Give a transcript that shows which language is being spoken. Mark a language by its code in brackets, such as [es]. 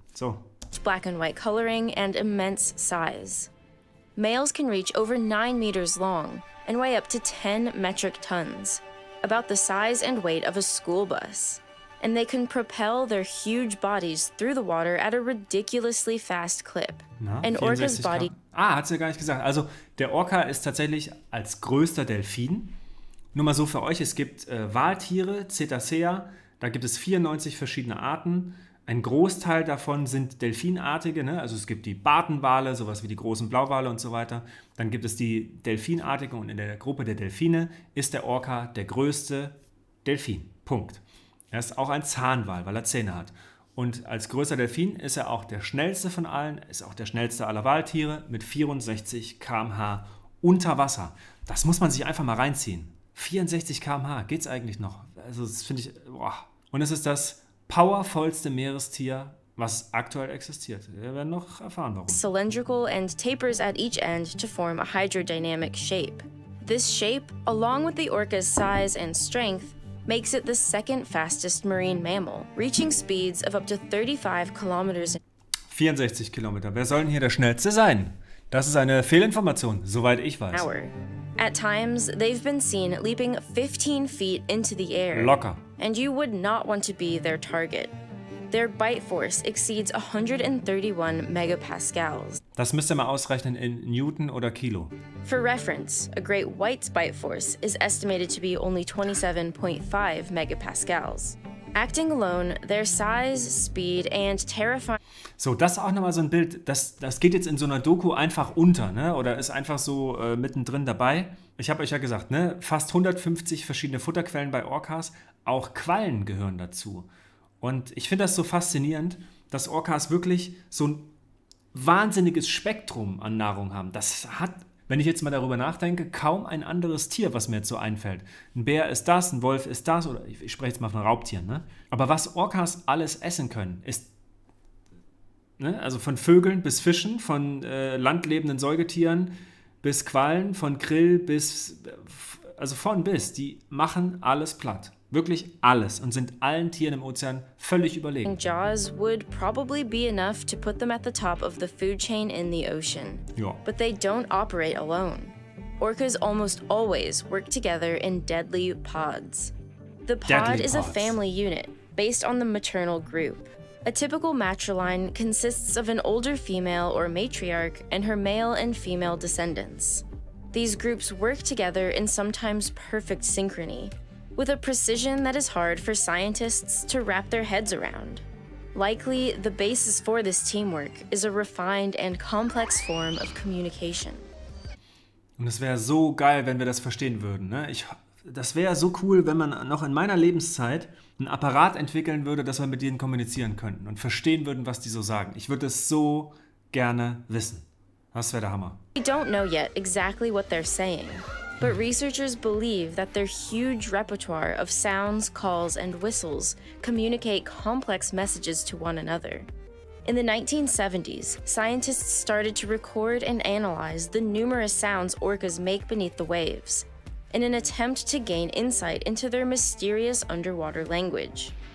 [en] So. Black and white coloring and immense size. Males can reach over 9 meters long and weigh up to 10 metric tons, about the size and weight of a school bus. And they can propel their huge bodies through the water at a ridiculously fast clip. Na, an orca's body. [de] Hat sie ja gar nicht gesagt. Also, der Orca ist tatsächlich als größter Delfin. Nur mal so für euch, es gibt Waltiere, Cetacea, da gibt es 94 verschiedene Arten. Ein Großteil davon sind Delfinartige, ne? Also es gibt die Bartenwale, sowas wie die großen Blauwale und so weiter. Dann gibt es die Delfinartigen und in der Gruppe der Delfine ist der Orca der größte Delfin. Punkt. Er ist auch ein Zahnwal, weil er Zähne hat. Und als größter Delfin ist er auch der schnellste von allen, ist auch der schnellste aller Waltiere mit 64 km/h unter Wasser. Das muss man sich einfach mal reinziehen. 64 km/h, geht's eigentlich noch? Also das finde ich, boah. Und es ist das powervollste Meerestier, was aktuell existiert. Wir werden noch erfahren, warum. [en] Cylindrical and tapers at each end to form a hydrodynamic shape. This shape, along with the orca's size and strength, makes it the second fastest marine mammal, reaching speeds of up to 35 kilometers. [de] 64 Kilometer. Wer soll denn hier der Schnellste sein? Das ist eine Fehlinformation, soweit ich weiß. [en] Hour. At times, they've been seen leaping 15 feet into the air. [de] Locker. [en] And you would not want to be their target. Their bite force exceeds 131 megapascals. [de] Das müsst ihr mal ausrechnen in Newton oder Kilo. [en] For reference, a great white's bite force is estimated to be only 27.5 megapascals. Acting alone, their size, speed and terrifying... [de] So, das ist auch nochmal so ein Bild, das geht jetzt in so einer Doku einfach unter, ne? Oder ist einfach so mittendrin dabei. Ich habe euch ja gesagt, ne? Fast 150 verschiedene Futterquellen bei Orcas, auch Quallen gehören dazu. Und ich finde das so faszinierend, dass Orcas wirklich so ein wahnsinniges Spektrum an Nahrung haben. Das hat, wenn ich jetzt mal darüber nachdenke, kaum ein anderes Tier, was mir jetzt so einfällt. Ein Bär ist das, ein Wolf ist das, oder ich spreche jetzt mal von Raubtieren, ne? Aber was Orcas alles essen können, ist, ne? Also von Vögeln bis Fischen, von landlebenden Säugetieren bis Quallen, von Krill bis, also von bis, die machen alles platt. Wirklich alles und sind allen Tieren im Ozean völlig überlegen. [en] Jaws would probably be enough to put them at the top of the food chain in the ocean. [de] Ja. [en] But they don't operate alone. Orcas almost always work together in deadly pods. The pod deadly is pods. A family unit based on the maternal group. A typical matriline consists of an older female or matriarch and her male and female descendants. These groups work together in sometimes perfect synchrony, with a precision that is hard for scientists to wrap their heads around. Likely, the basis for this teamwork is a refined and complex form of communication. [de] Und es wäre so geil, wenn wir das verstehen würden. Ne? Das wäre so cool, wenn man noch in meiner Lebenszeit einen Apparat entwickeln würde, dass wir mit denen kommunizieren könnten und verstehen würden, was die so sagen. Ich würde es so gerne wissen. Das wäre der Hammer. [en] We don't know yet exactly what they're saying. But researchers believe that their huge repertoire of sounds, calls, and whistles communicate complex messages to one another. In the 1970s, scientists started to record and analyze the numerous sounds orcas make beneath the waves, in an attempt to gain insight into their mysterious underwater language.